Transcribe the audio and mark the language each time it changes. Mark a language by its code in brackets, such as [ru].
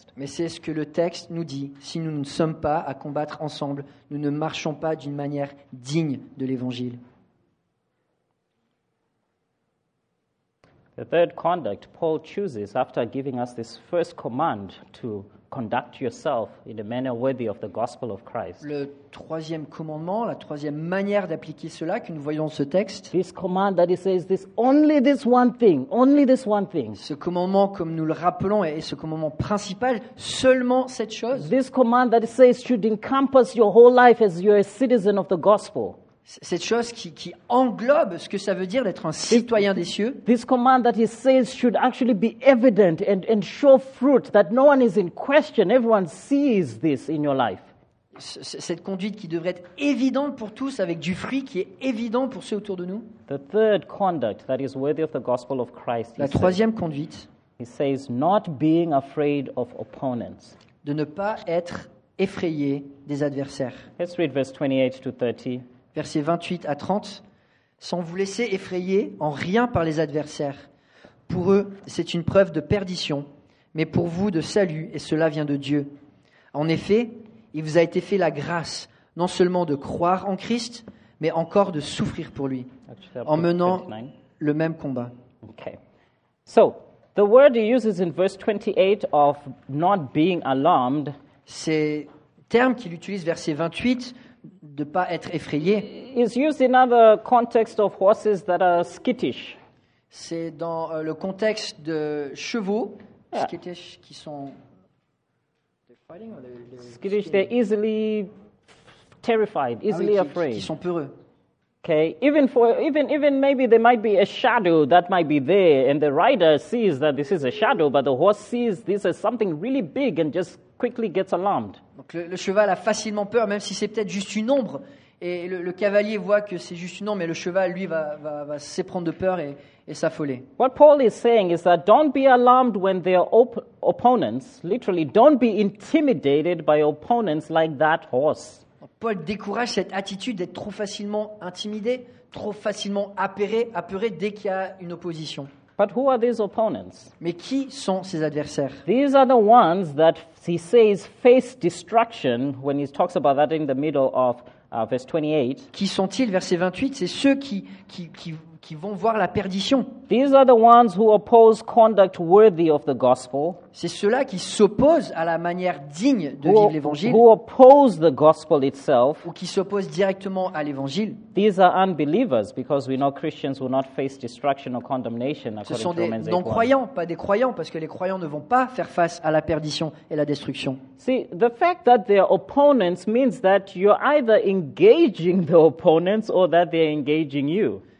[fr] Mais c'est ce que le texte nous dit. Si nous ne sommes pas à combattre ensemble, nous ne marchons pas d'une manière digne de l'Évangile. [en] The third conduct Paul chooses after giving us this first command to conduct yourself in a manner worthy of the gospel of Christ. [fr] Le troisième commandement, la troisième manière d'appliquer cela que nous voyons dans ce texte. [en] This command that he says this only this one thing, only this one thing. [fr] Ce commandement, comme nous le rappelons, est ce commandement principal, seulement cette chose. [en] This command that he says should encompass your whole life as you're a citizen of the gospel. [fr] Cette chose qui englobe ce que ça veut dire d'être un citoyen des cieux. [en] This command that he says should actually be evident and show fruit, that no one is in question, everyone sees this in your life. [fr] Cette conduite qui devrait être évidente pour tous, avec du fruit qui est évident pour ceux autour de nous. [en] The third conduct that is worthy of the gospel of Christ. [fr] La troisième conduite. [en] He says, not being afraid of opponents. [fr] De ne pas être effrayé des adversaires. [en] Let's read verse 28 to 30. [fr] Versets 28 à 30. Sans vous laisser effrayer en rien par les adversaires. Pour eux, c'est une preuve de perdition, mais pour vous, de salut, et cela vient de Dieu. En effet, il vous a été fait la grâce, non seulement de croire en Christ, mais encore de souffrir pour lui, en menant le même combat. [en] Okay. So, the word he uses in verse 28 of not being alarmed, [fr] ces termes qu'il utilise verset 28, de pas être effrayé, [en] is used in another context of horses that are skittish. [fr] C'est dans le contexte de chevaux, skittish, qui sont... [en] Skittish, they're easily terrified, easily afraid. [fr] Qui sont peureux. [en] Okay, even maybe there might be a shadow that might be there, and the rider sees that this is a shadow, but the horse sees this as something really big and just quickly gets alarmed. [fr] Donc le cheval a facilement peur, même si c'est peut-être juste une ombre. Et le cavalier voit que c'est juste une ombre, mais le cheval, lui, va s'éprendre de peur et s'affoler. [en] What Paul is saying is that don't be alarmed when there are opponents. Literally, don't be intimidated by opponents like that horse. [fr] Paul décourage cette attitude d'être trop facilement intimidé, trop facilement apeuré dès qu'il y a une opposition. [en] But who are these opponents? [fr] Mais qui sont ces adversaires? [en] These are the ones that he says face destruction when he talks about that in the middle of verse 28. [fr] Qui sont-ils, verset 28? C'est ceux qui vont voir la perdition. [en] These are the ones who oppose conduct worthy of the gospel. [fr] C'est ceux-là qui s'opposent à la manière digne de vivre l'évangile. [en] Who oppose the gospel itself. [fr] Ou qui s'opposent directement à l'évangile. [en] These are unbelievers because we know Christians will not face destruction or condemnation according to Romans 8. [fr] Ce sont des non-croyants, pas des croyants, parce que les croyants ne vont pas faire face à la perdition et la destruction. [en] See, the fact that they are opponents means that you're either engaging the opponents or that they're engaging you.